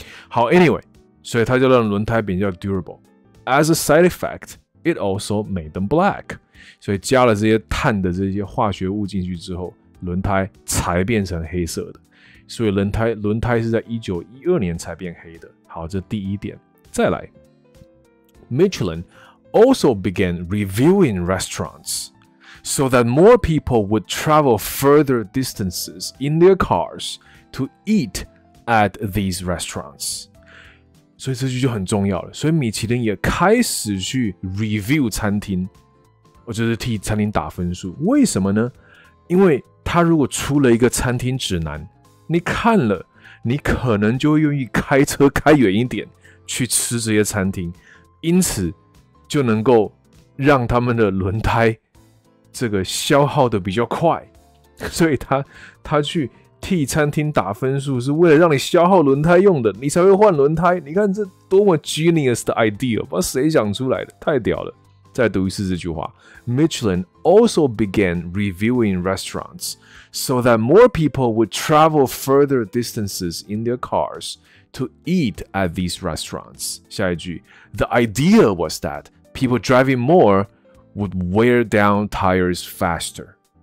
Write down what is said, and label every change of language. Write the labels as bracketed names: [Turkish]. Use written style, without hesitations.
[Chinese] 好 ，anyway， 所以它就让轮胎比较 durable。 [English] As a side effect。 It also made them black. [Chinese] 所以加了这些碳的这些化学物进去之后，轮胎才变成黑色的。所以轮胎是在1912年才变黑的。好，这第一点。再来 [English] ，Michelin also began reviewing restaurants so that more people would travel further distances in their cars to eat at these restaurants. [Chinese] 所以这句就很重要了。所以米其林也开始去 review 餐厅，我就是替餐厅打分数。为什么呢？因为他如果出了一个餐厅指南，你看了，你可能就会愿意开车开远一点去吃这些餐厅，因此就能够让他们的轮胎这个消耗的比较快。所以他去。替餐厅打分数是为了让你消耗轮胎用的，你才会换轮胎。你看这多么 genius 的 idea， 不知道谁想出来的，太屌了！再读一次这句话 [English] ：Michelin also began reviewing restaurants so that more people would travel further distances in their cars to eat at these restaurants。 [Chinese] 下一句 [English] ，The idea was that people driving more would wear down tires faster。